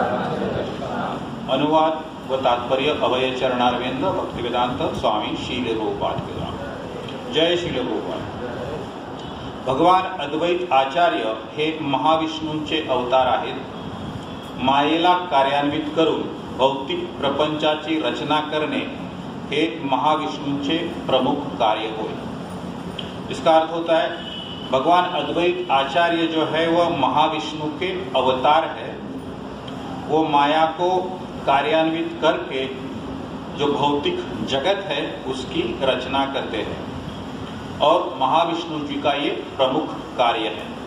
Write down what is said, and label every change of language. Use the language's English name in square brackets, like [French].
[Hindi] अनुवाद व तात्पर्य अभय चरणारविंद भक्तिवेदांत स्वामी शील रूपपाठ के द्वारा। जय शील रूपपाठ। [Marathi] भगवान अद्वैत आचार्य हे महाविष्णूंचे अवतार आहेत। मायेला कार्यान्वित करून भौतिक प्रपंचाची रचना करणे हे महाविष्णूंचे प्रमुख कार्य होय। [Hindi] इसका अर्थ होता है भगवान अद्वैत आचार्य जो है वह महाविष्णु के अवतार है। वो माया को कार्यान्वित करके जो भौतिक जगत है उसकी रचना करते हैं और महाविष्णु जी का ये प्रमुख कार्य है।